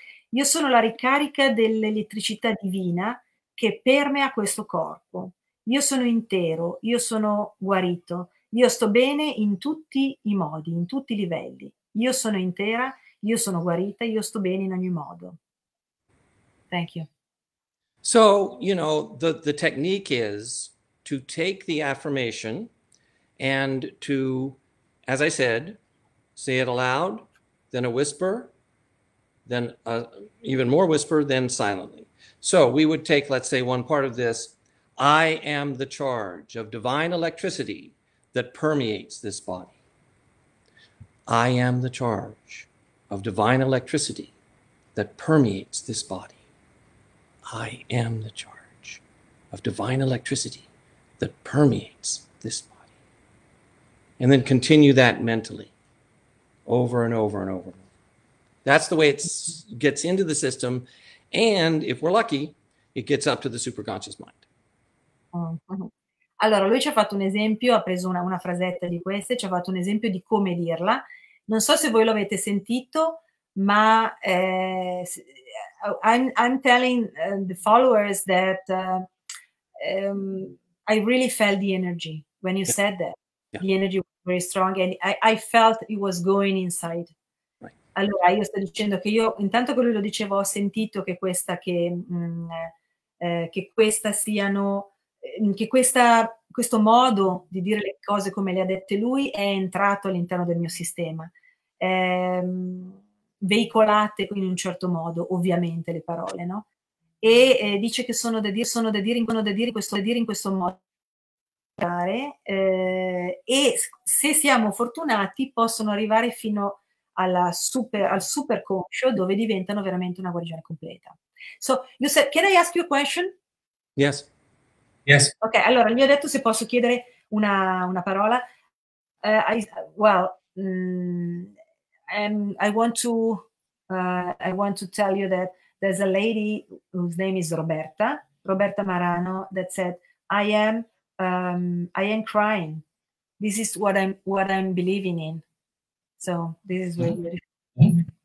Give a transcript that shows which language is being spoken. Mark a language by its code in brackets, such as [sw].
[it] Io sono la ricarica dell'elettricità divina che permea questo corpo. Io sono intero, io sono guarito, io sto bene in tutti i modi, in tutti i livelli. Io sono intera, io sono guarita, io sto bene in ogni modo. [en] Thank you. So, you know, the technique is to take the affirmation and to, as I said, say it aloud, then a whisper, then even more whisper, then silently. So we would take, let's say, one part of this. I am the charge of divine electricity that permeates this body. I am the charge of divine electricity that permeates this body. I am the charge of divine electricity that permeates this body. And then continue that mentally over and over and over. That's the way it gets into the system. And if we're lucky, it gets up to the superconscious mind. [it] Allora, lui ci ha fatto un esempio, ha preso una frasetta di queste, ci ha fatto un esempio di come dirla. Non so se voi lo avete sentito, ma [en] I'm telling the followers that I really felt the energy when you said that. Yeah. The energy was very strong and I felt it was going inside. Right. [it] Allora, io sto dicendo che io, intanto che lui lo diceva, ho sentito che questo modo di dire le cose come le ha dette lui è entrato all'interno del mio sistema. Veicolate in un certo modo, ovviamente, le parole, no? E dice che sono da dire in questo modo. E se siamo fortunati, possono arrivare fino al super conscio, dove diventano veramente una guarigione completa. [en] So, you said, can I ask you a question? Yes. Yes. [it] Okay, allora gli ho detto se posso chiedere una parola. [en] I want to tell you that there's a lady whose name is Roberta Marano, that said, I am crying. This is what I'm believing in. So this is very beautiful.